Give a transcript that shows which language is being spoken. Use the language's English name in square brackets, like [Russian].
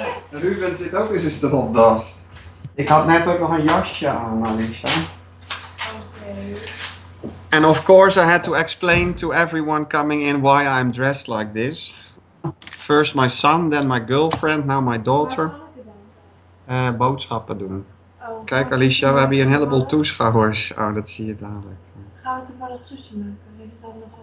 [Dutch] Ruben zit ook in zijn stropdas. Ik had net ook nog een jasje aan, Alicia. [English] Okay. And of course I had to explain to everyone coming in why I'm dressed like this. First my son, then my girlfriend, now my daughter. [Dutch] Boodschappen doen. Oh, kijk Alicia, we hebben hier een heleboel toeschouwers. Oh, dat zie je dadelijk. Gaan we het een paar zusje maken?